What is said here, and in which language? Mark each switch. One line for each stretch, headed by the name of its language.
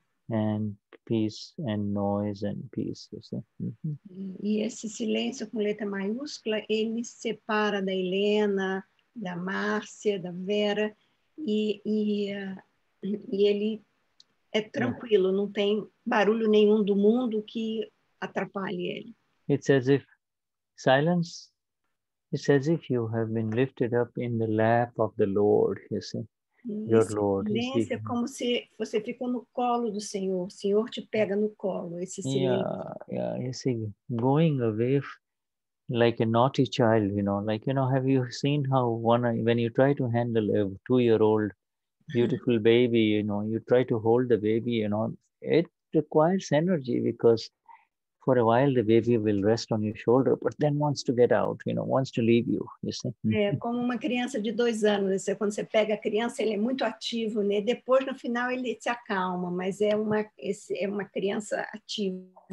English: and peace and noise and peace. You see?
Portuguese: Mm-hmm. E esse silêncio com letra maiúscula, ele separa da Helena, da Márcia, da Vera, e ele é tranquilo, não tem barulho nenhum do mundo que atrapalhe ele.
English: It's as if silence, it's as if you have been lifted up in the lap of the Lord, you see. Your Lord,
Portuguese: esse silêncio é como se você ficou no colo do Senhor. O Senhor te pega no colo. Esse silêncio.
English: Esse going away like a naughty child, you know. Like, you know, have you seen how one, when you try to handle a two-year-old beautiful baby, you know, you try to hold the baby, you know, it requires energy because for a while the baby will rest on your shoulder, but then wants to get out, you know, wants to leave you, you see.
Portuguese: É como uma criança de dois anos, você, quando você pega a criança, ele é muito ativo, né? Depois, no final, ele se acalma, mas é uma criança ativa.